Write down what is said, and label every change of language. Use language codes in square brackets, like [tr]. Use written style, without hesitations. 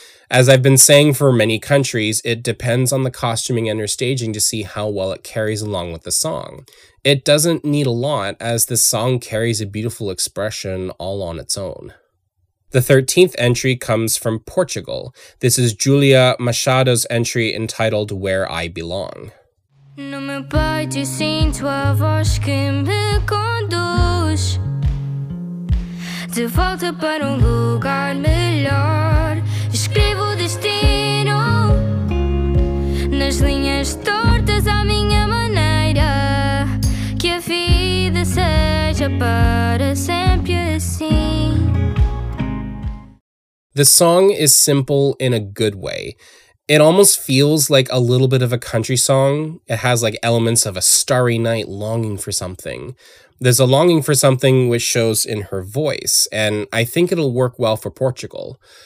[en] As I've been saying for many countries, it depends on the costuming and her staging to see how well it carries along with the song. It doesn't need a lot, as the song carries a beautiful expression all on its own. The 13th entry comes from Portugal. This is Julia Machado's entry entitled Where I Belong. [pt] No meu peito sinto a voz que me conduz de volta para lugar melhor. Escrevo o destino nas linhas tortas à minha maneira. Que a vida seja para sempre assim. [en] The song is simple in a good way. It almost feels like a little bit of a country song. It has like elements of a starry night longing for something. There's a longing for something which shows in her voice, and I think it'll work well for Portugal.